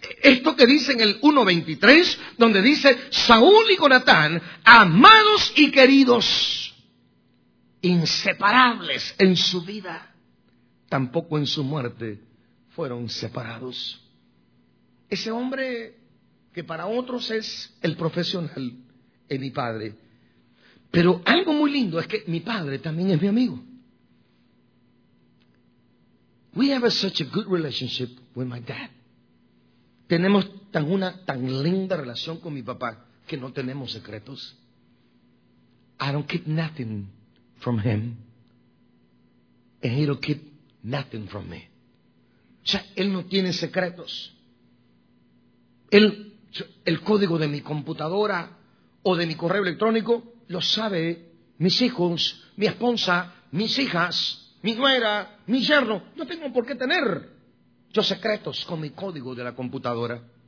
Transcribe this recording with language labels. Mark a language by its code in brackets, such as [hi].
[es] Esto que dice en el 1.23, donde dice, Saúl y Jonatán, amados y queridos, inseparables en su vida, tampoco en su muerte fueron separados. Ese hombre que para otros es el profesional, es mi padre. Pero algo muy lindo es que mi padre también es mi amigo. [en] We have such a good relationship with my dad. [es] Tenemos tan linda relación con mi papá que no tenemos secretos. [en] I don't keep nothing from him. And he don't keep nothing from me. [es] O sea, él no tiene secretos. El código de mi computadora o de mi correo electrónico lo sabe mis hijos, mi esposa, mis hijas, mi nuera, mi yerno. No tengo por qué tener yo secretos con mi código de la computadora.